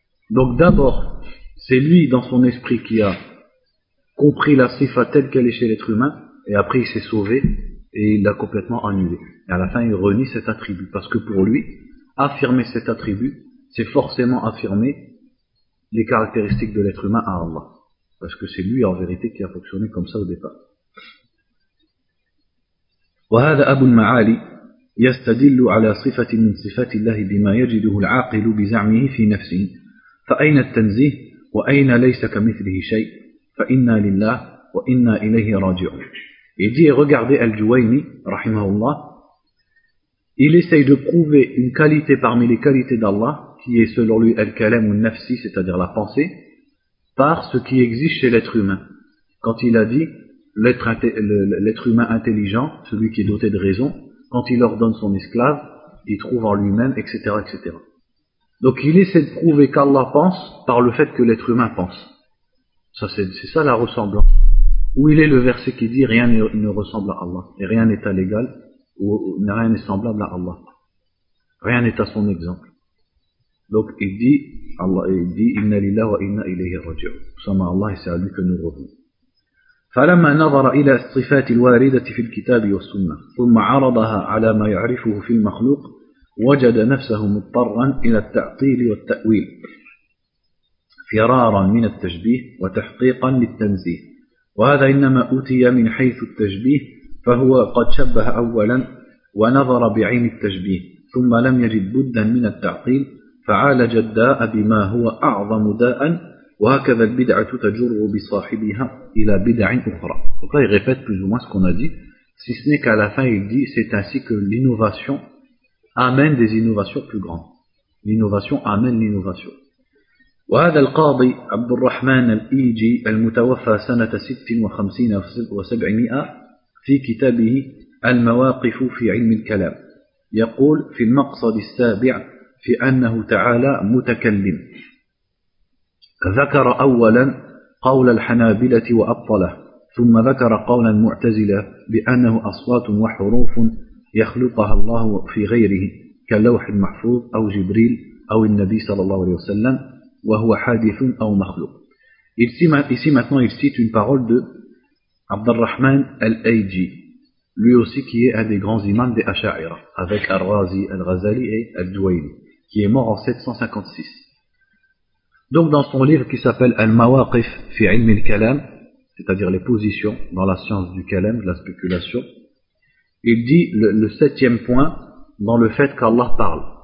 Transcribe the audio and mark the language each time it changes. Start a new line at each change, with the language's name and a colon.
French: Donc d'abord, c'est lui dans son esprit qui a compris la sifa telle qu'elle est chez l'être humain, et après il s'est sauvé et il l'a complètement annulé. Et à la fin il renie cet attribut, parce que pour lui, affirmer cet attribut, c'est forcément affirmer les caractéristiques de l'être humain à Allah. Parce que c'est lui en vérité qui a fonctionné comme ça au départ.
Arabic: وهذا أبو المعالي يستدل على صفة من صفات الله بما يجده العاقل بزعمه في نفسه فأين التنزيه وأين ليس كمثله شيء فإنا لله وإنا إليه راجعون.
French: Il dit, regardez Al-Juwayni, rahimahullah, il essaye de prouver une qualité parmi les qualités d'Allah qui est selon lui Al-Kalam ou Nafsi, c'est-à-dire la pensée, par ce qui existe chez l'être humain. Quand il a dit, l'être humain intelligent, celui qui est doté de raison, quand il ordonne son esclave, il trouve en lui-même, etc., etc. Donc il essaie de prouver qu'Allah pense par le fait que l'être humain pense. Ça, c'est ça la ressemblance. Où il est le verset qui dit « Rien ne ressemble à Allah » et « Rien n'est à l'égal » ou « Rien n'est semblable à Allah ». Rien n'est à son exemple. Donc il dit « Allah, il dit «
Arabic: Inna lillahi wa inna ilayhi raji'un ».
French: Nous sommes à Allah et c'est à lui que nous revenons.
Arabic: فلما نظر إلى الصفات الواردة في الكتاب والسنة ثم عرضها على ما يعرفه في المخلوق وجد نفسه مضطرا إلى التعطيل والتأويل فرارا من التشبيه وتحقيقا للتنزيه وهذا إنما أتي من حيث التشبيه فهو قد شبه أولا ونظر بعين التشبيه ثم لم يجد بدا من التعطيل فعالج الداء بما هو أعظم داء وهكذا البدعة تجر بصاحبها إلى بدع أخرى.
French: Donc là, il répète plus ou moins ce qu'on a dit, si ce n'est qu'à la fin il dit c'est ainsi que l'innovation amène des innovations plus grandes. L'innovation amène l'innovation.
Arabic: وهذا القاضي عبد الرحمن الإيجي المتوفى سنة 56 و700 في كتابه المواقف في علم الكلام يقول في المقصد السابع في أنه تعالى متكلم ذكر أولا قول الحنابلة وأبطله ثم ذكر قول المعتزلة بأنه أصوات وحروف يخلقها الله في غيره كاللوح المحفوظ أو جبريل أو النبي صلى الله عليه وسلم وهو حادث أو مخلوق.
French: Ici maintenant il cite une parole de عبد الرحمن الأيجي, lui aussi qui est un des grands imams des Asha'ira avec Al-Razi, Al-Ghazali et Al-Duwayni, qui est mort en 756. Donc dans son livre qui s'appelle Al-Mawaqif fi ilm al-kalam, c'est-à-dire les positions dans la science du kalam, de la spéculation, il dit le septième point dans le fait qu'Allah parle.